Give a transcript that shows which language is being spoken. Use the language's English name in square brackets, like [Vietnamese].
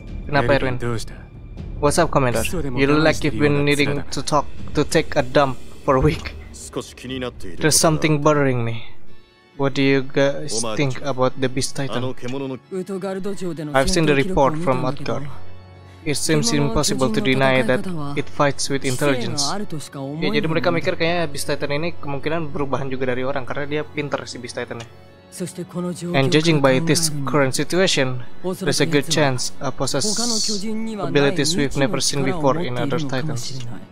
[Indonesian] Kenapa, Erwin? [English] What's up, Commander? You look like you've been needing to talk, to take a dump for a week. There's something bothering me. What do you guys think about the Beast Titan? I've seen the report from Utgard. It seems impossible to deny that it fights with intelligence. [Indonesian] Ya, jadi mereka mikir kayaknya Beast Titan ini kemungkinan perubahan juga dari orang, karena dia pintar si Beast Titannya. [English] And judging by this current situation, there's a good chance a possessed abilities we've never seen before in other titans.